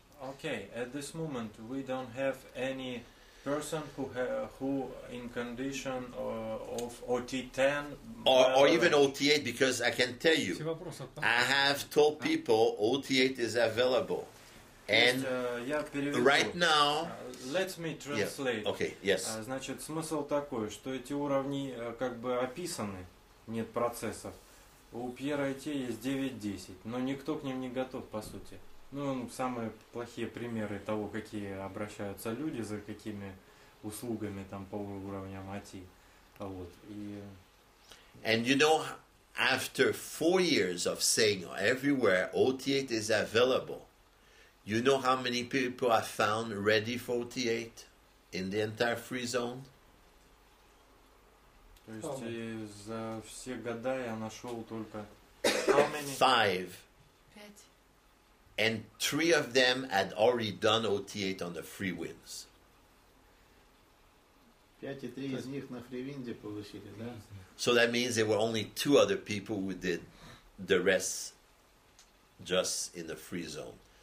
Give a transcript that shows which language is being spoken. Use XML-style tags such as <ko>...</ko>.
<en>Okay, at this moment, we don't have any person who in condition of OT10. Or even OT8, because I can tell you, I have told people OT8 is available. And right now... Let me translate. Yeah. Okay, yes.</en> <ru>Значит, смысл такой, что эти уровни как бы описаны, нет процессов. У Pierre IT есть 9-10, но никто к ним не готов, по сути. Ну, самые плохие примеры того, какие обращаются люди, за какими услугами там по уровням IT. Вот. И...</ru> <en>And you know, after 4 years of saying everywhere OT8 is available, you know how many people I found ready for OT8 in the entire free zone?</en> <ru>То есть за все года я нашел только...</ru> <en>Five. And three of them had already done OT8 on the free wins. So that means there were only two other people who did the rest just in the free zone.</en>